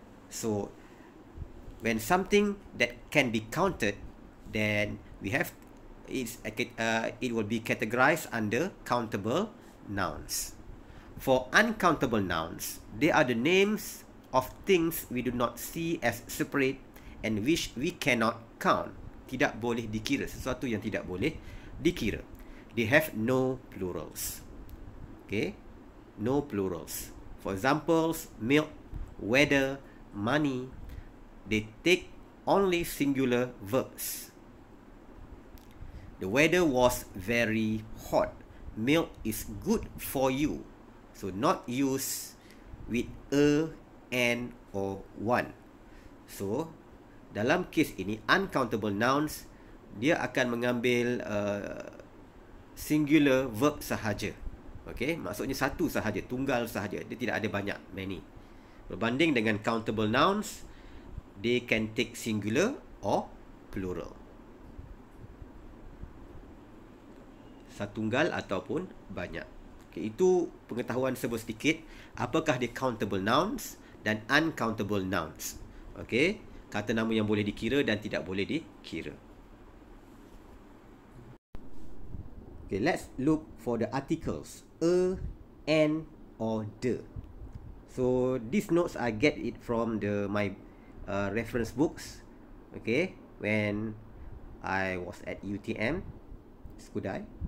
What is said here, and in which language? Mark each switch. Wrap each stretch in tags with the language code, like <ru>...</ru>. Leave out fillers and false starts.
<en>So when something that can be counted, then we have it will be categorized under countable nouns. For uncountable nouns, they are the names of things we do not see as separate and which we cannot count.</en> <ms>Tidak boleh dikira, sesuatu yang tidak boleh dikira.</ms> <en>They have no plurals. Okay, no plurals. For examples, milk, weather, money. They take only singular verbs. The weather was very hot. Milk is good for you. So not use with a, an, or one.</en> <ms>So dalam kes ini, uncountable nouns, dia akan mengambil singular verb sahaja. Okay, maksudnya satu sahaja, tunggal sahaja. Dia tidak ada banyak, many. Berbanding dengan</ms> <en>countable nouns, they can take singular or plural.</en> <ms>Satunggal ataupun banyak. Okay, itu pengetahuan sebut sedikit. Apakah dia countable nouns dan uncountable nouns? Okay, kata nama yang boleh dikira dan tidak boleh dikira.</ms> <en>Okay, let's look for the articles. A, an, or the. So, these notes I get it from my reference books. Okay, when I was at UTM, Skudai.</en>